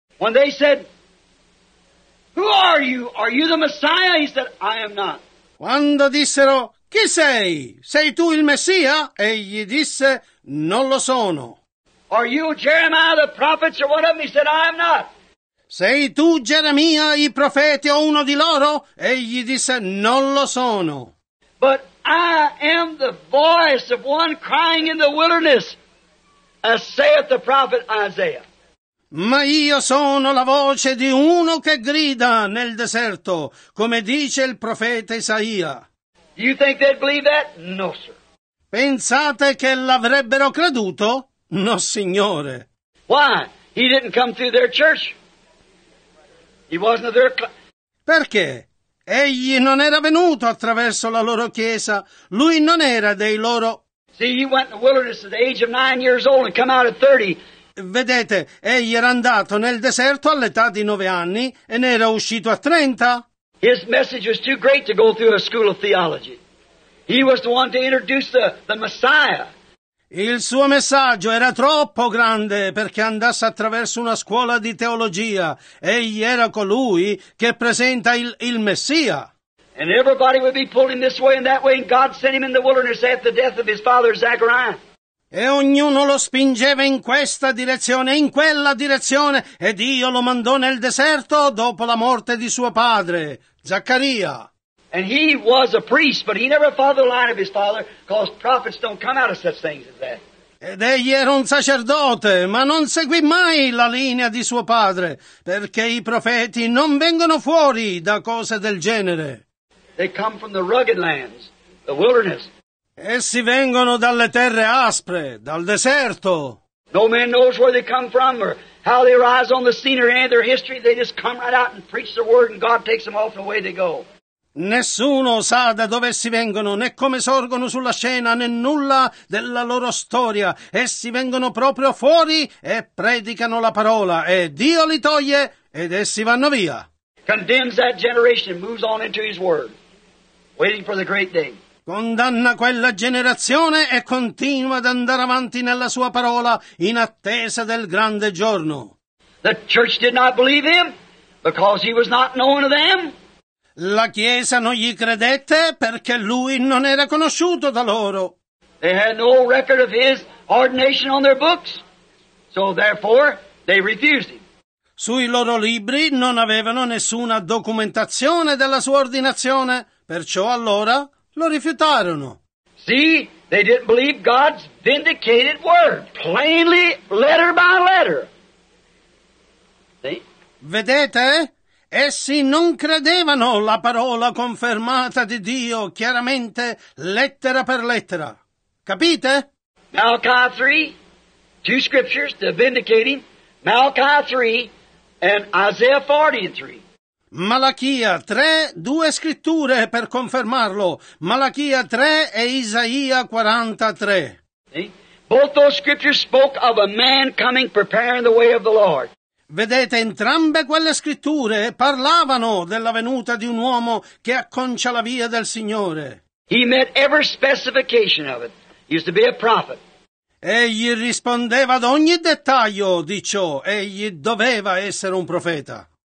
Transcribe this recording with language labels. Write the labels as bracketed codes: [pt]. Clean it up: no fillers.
[en] When they said, who are you? Are you the Messiah? He said, I am not. [it] Quando dissero, chi sei? Sei tu il Messia? Egli disse, non lo sono. [en] Are you Jeremiah the prophet or one of them? He said, I am not. [it] Sei tu Geremia, i profeti o uno di loro? Egli disse, non lo sono. [en] But I am the voice of one crying in the wilderness, as saith the prophet Isaiah. [it] Ma io sono la voce di uno che grida nel deserto, come dice il profeta Isaia. [en] You think they'd believe that? No, sir. [it] Pensate che l'avrebbero creduto? No, signore. [en] Why? He didn't come through their church. He wasn't their [it] Perché? Egli non era venuto attraverso la loro chiesa. Lui non era dei loro. [en] See, he went in the wilderness at the age of 9 years old and come out at 30. [it] Vedete, egli era andato nel deserto all'età di 9 anni e ne era uscito a 30. [en] His message was too great to go through a school of theology. He was the one to introduce the Messiah. [it] Il suo messaggio era troppo grande perché andasse attraverso una scuola di teologia. Egli era colui che presenta il Messia. [en] And everybody would be pulling this way and that way, and God sent him in the wilderness after the death of his father Zechariah. [it] E ognuno lo spingeva in questa direzione e in quella direzione, e Dio lo mandò nel deserto dopo la morte di suo padre Zaccaria. [en] And he was a priest, but he never followed the line of his father, because prophets don't come out of such things as that. [it] Ed egli era un sacerdote, ma non seguì mai la linea di suo padre, perché i profeti non vengono fuori da cose del genere. [en] They come from the rugged lands, the wilderness. [it] Essi vengono dalle terre aspre, dal deserto. [en] No man knows where they come from, or how they rise on the scene or any of their history. They just come right out and preach the word, and God takes them off, and away they go. [it] Nessuno sa da dove essi vengono, né come sorgono sulla scena, né nulla della loro storia. Essi vengono proprio fuori e predicano la parola, e Dio li toglie ed essi vanno via. [en] Condemns that generation, moves on into his word, waiting for the great day. [it] Condanna quella generazione e continua ad andare avanti nella sua parola in attesa del grande giorno. [en] The church did not believe him because he was not known to them. [it] La Chiesa non gli credette perché lui non era conosciuto da loro. [en] They had no record of his ordination on their books, so therefore they refused him. [it] Sui loro libri non avevano nessuna documentazione della sua ordinazione, perciò allora lo rifiutarono. [en] See, they didn't believe God's vindicated word, plainly, letter by letter. See? [it] Vedete? Essi non credevano la parola confermata di Dio, chiaramente, lettera per lettera. Capite? [en] Malachi 3, two scriptures to vindicate him. Malachi 3 and Isaiah 43. [it] Malachia 3, due scritture per confermarlo. Malachia 3 e Isaia 43. [en] Both those scriptures spoke of a man coming preparing the way of the Lord. [it] Vedete, entrambe quelle scritture parlavano della venuta di un uomo che acconcia la via del Signore. [en] He met every specification of it. He used to be a prophet. [it] Egli rispondeva ad ogni dettaglio di ciò. Egli doveva essere un profeta.